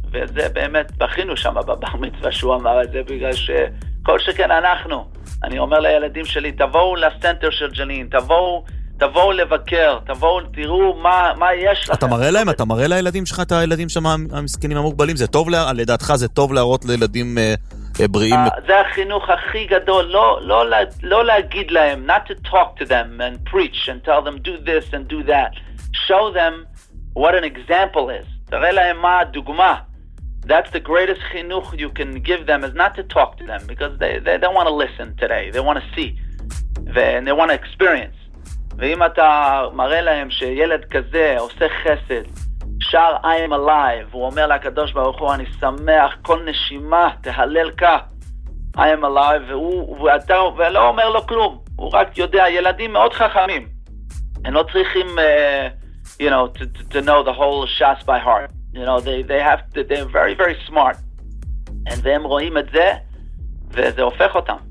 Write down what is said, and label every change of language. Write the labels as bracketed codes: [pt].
[he] וזה באמת, בכינו שם בבר מצווה שהוא אמר את זה, בגלל שכל שכן אנחנו, אני אומר לילדים שלי, תבואו לסנטר של ג'נין, תבואו לבקר, תבואו, תראו מה יש לכם. אתה מראה להם, אתה מראה לילדים שלך, את הילדים שם המסכנים המוגבלים, זה טוב, לדעתך זה טוב להראות לילדים בריאים. זה החינוך הכי גדול, לא להגיד להם, [en] not to talk to them and preach and tell them do this and do that. Show them what an example is. [he] תראה להם מה הדוגמה. [en] That's the greatest חינוך you can give them is not to talk to them because they don't want to listen today. They want to see and they want to experience. [he] ואם אתה מראה להם שילד כזה עושה חסד, שר [en] I am alive, [he] הוא אומר לקדוש ברוך הוא, אני שמח, כל נשימה, תהלל כך, I am alive, והוא לא אומר לו כלום, הוא רק יודע, ילדים מאוד חכמים, הם לא צריכים, [en] you know, to know the whole shas by heart, you know, they're very, very smart, and [he] והם רואים את זה, וזה הופך אותם.